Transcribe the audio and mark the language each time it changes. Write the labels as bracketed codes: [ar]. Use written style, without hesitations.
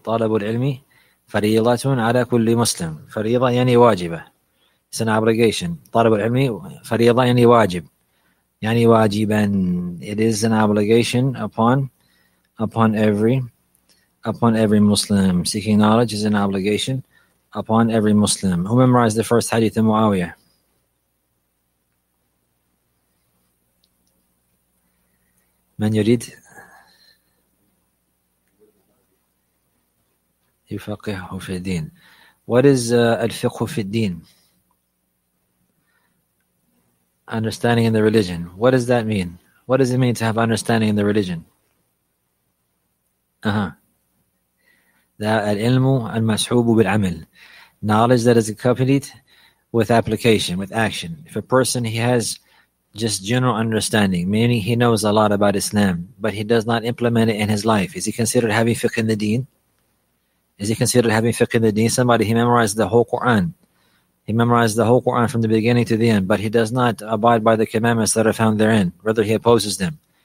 [ar] طالب العلم فريضة على كل مسلم. فريضة يعني واجبة. [en] It's an obligation. [ar] طالب العلم فريضة يعني واجب. يعني واجبا. [en] It is an obligation upon every Muslim. Seeking knowledge is an obligation upon every Muslim. Who memorized the first hadith of Muawiyah? [ar] من يريد يفقهه في الدين. [en] What is الفقه في الدين? Understanding in the religion. What does that mean? What does it mean to have understanding in the religion? [ar] That العلم المسحوب بالعمل. [en] Knowledge that is accompanied with application, with action. If a person, he has just general understanding, meaning he knows a lot about Islam, but he does not implement it in his life, is he considered having fiqh in the deen? Is he considered having fiqh in the deen? Somebody, he memorized the whole Quran. He memorized the whole Quran from the beginning to the end, but he does not abide by the commandments that are found therein. Rather, he opposes them.